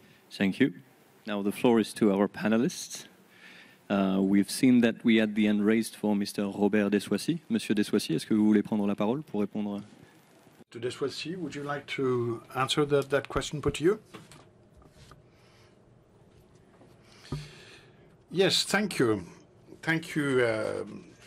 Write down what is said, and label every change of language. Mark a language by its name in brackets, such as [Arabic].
[English] Thank you. Now the floor is to our panelists. We've seen that we had the hand raised for Mr. Robert Desoissy. [French] Monsieur Desoissy, est-ce que vous voulez prendre la parole pour répondre? [English] Mr. Desoissy, would you like to answer that question put to you? Yes, thank you. Thank you. Um,